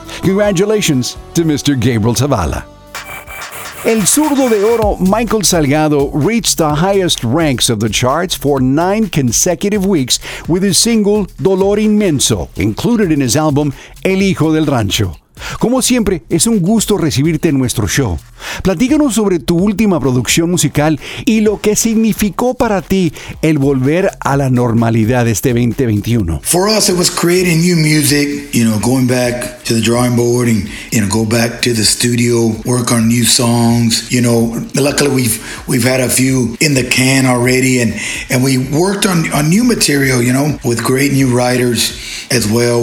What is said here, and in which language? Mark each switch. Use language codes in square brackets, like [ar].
[en] Congratulations to Mr. Gabriel Zavala. El Zurdo de Oro, Michael Salgado, reached the highest ranks of the charts for 9 consecutive weeks with his single Dolor Inmenso, included in his album El Hijo del Rancho. [es] Como siempre, es un gusto recibirte en nuestro show. Platícanos sobre tu última producción musical y lo que significó para ti el volver a la normalidad este 2021. [en] For us, it was creating new music, you know, going back to the drawing board and, you know, go back to the studio, work on new songs. You know, luckily we've had a few in the can already, and we worked on new material, you know, with great new writers as well.